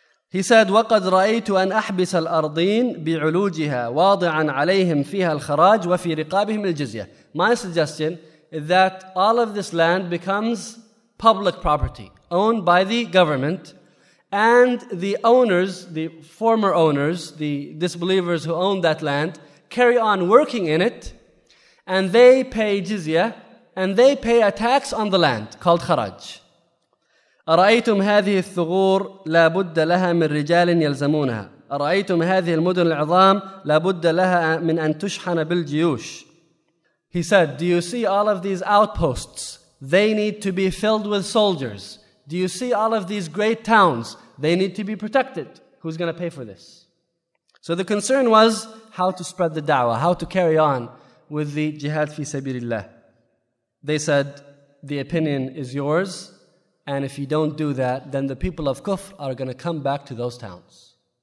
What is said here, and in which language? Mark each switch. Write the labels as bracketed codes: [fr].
[en] He said, [ar] وَقَدْ رَأَيْتُ أَنْ أَحْبِسَ الْأَرْضِينَ بِعُلُوجِهَا وَاضِعًا عَلَيْهِمْ فِيهَا الْخَرَاجِ وَفِي رِقَابِهِمْ الْجِزْيَةِ [en] My suggestion is that all of this land becomes public property, owned by the government. And the owners, the former owners, the disbelievers who own that land, carry on working in it, and they pay jizya, and they pay a tax on the land, called kharaj. [ar] أَرَأَيْتُمْ هَذِهِ الثُّغُورِ لَا بُدَّ لَهَا مِنْ رِجَالٍ يَلْزَمُونَهَا أَرَأَيْتُمْ هَذِهِ الْمُدُنِ الْعِظَامِ لَا بُدَّ لَهَا مِنْ أَنْ تُشْحَنَ بِالْجِيُوشِ [en] He said, do you see all of these outposts? They need to be filled with soldiers. Do you see all of these great towns? They need to be protected. Who's going to pay for this? So the concern was how to spread the da'wah, how to carry on with the jihad fi sabilillah. They said, the opinion is yours, and if you don't do that, then the people of Kufr are going to come back to those towns.